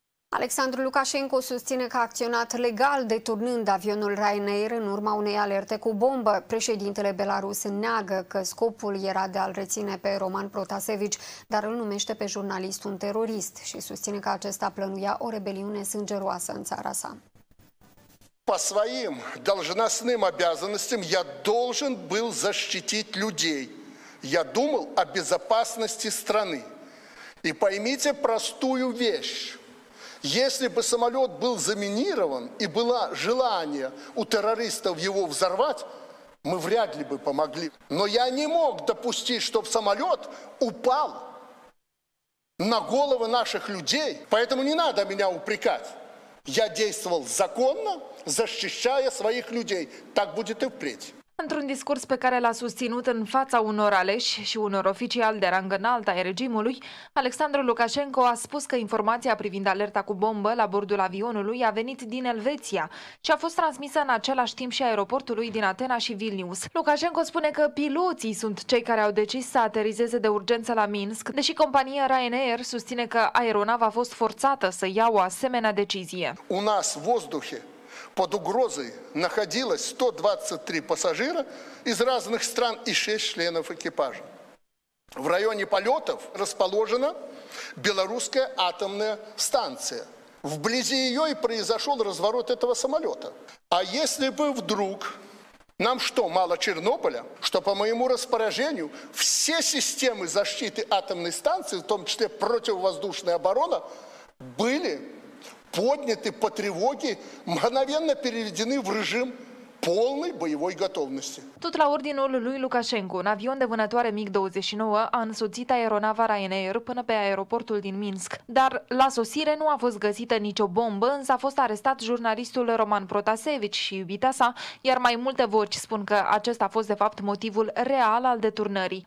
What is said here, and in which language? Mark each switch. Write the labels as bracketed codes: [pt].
[ro] Alexandru Lukashenko susține că a acționat legal deturnând avionul Ryanair în urma unei alerte cu bombă. Președintele Belarus neagă că scopul era de a-l reține pe Roman Protasevici, dar îl numește pe jurnalist un terorist și susține că acesta plănuia o rebeliune sângeroasă în țara sa. [ru] По своим должностным обязанностям я должен был защитить людей. Я думал о безопасности страны. И поймите простую вещь. Если бы самолет был заминирован и было желание у террористов его взорвать, мы вряд ли бы помогли. Но я не мог допустить, чтобы самолет упал на головы наших людей. Поэтому не надо меня упрекать. Я действовал законно, защищая своих людей. Так будет и впредь. [ro] Într-un discurs pe care l-a susținut în fața unor aleși și unor oficiali de rang înalt ai regimului, Alexandru Lukashenko a spus că informația privind alerta cu bombă la bordul avionului a venit din Elveția și a fost transmisă în același timp și aeroportului din Atena și Vilnius. Lukashenko spune că piloții sunt cei care au decis să aterizeze de urgență la Minsk, deși compania Ryanair susține că aeronava a fost forțată să ia o asemenea decizie. [ru] Под угрозой находилось 123 пассажира из разных стран и 6 членов экипажа. В районе полетов расположена белорусская атомная станция. Вблизи ее и произошел разворот этого самолета. А если бы вдруг нам что, мало Чернобыля, что по моему распоряжению все системы защиты атомной станции, в том числе противовоздушная оборона, были подняты по тревоге, мгновенно переведены в режим полной боевой готовности. [ro] Tot la ordinul lui Lukashenko, un avion de vânătoare MiG-29 a însoțit aeronava Ryanair până pe aeroportul din Minsk. Dar la sosire nu a fost găsită nicio bombă, însă a fost arestat jurnalistul Roman Protasevici și iubita sa, iar mai multe voci spun că acesta a fost de fapt motivul real al deturnării.